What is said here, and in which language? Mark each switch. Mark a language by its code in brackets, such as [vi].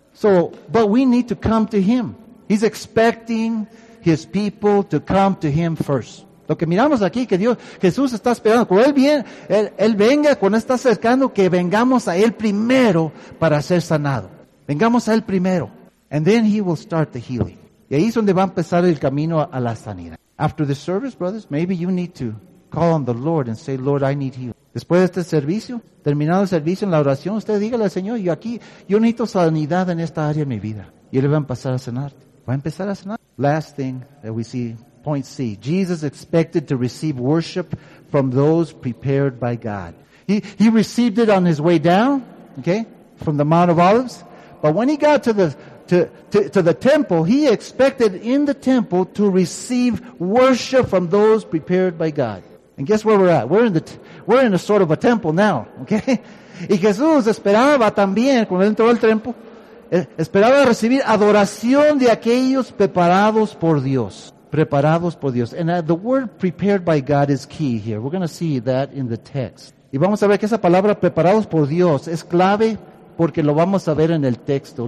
[en] So, but we need to come to Him. He's expecting His people to come to Him first. [es] Lo que miramos aquí, que Dios, Jesús está esperando. Cuando Él viene, Él venga, cuando está acercando, que vengamos a Él primero para ser sanado. Vengamos a Él primero. [en] And then He will start the healing. [es] Y ahí es donde va a empezar el camino a la sanidad. [en] After the service, brothers, maybe you need to call on the Lord and say, Lord, I need healing. [es] Después de este servicio, terminado el servicio en la oración, usted dígale al Señor, yo necesito sanidad en esta área de mi vida. Y Él va a empezar a sanar. Va a empezar a sanar. [en] Last thing that we see, point C. Jesus expected to receive worship from those prepared by God. He received it on His way down, okay, from the Mount of Olives. But when He got to the temple, He expected in the temple to receive worship from those prepared by God. And guess where we're at? We're in a sort of a temple now, okay? [es] Y Jesús esperaba también, cuando entró al templo, esperaba recibir adoración de aquellos preparados por Dios. Preparados por Dios. [en] And the word prepared by God is key here. We're going to see that in the text. [es] Y vamos a ver que esa palabra preparados por Dios es clave porque lo vamos a ver en el texto.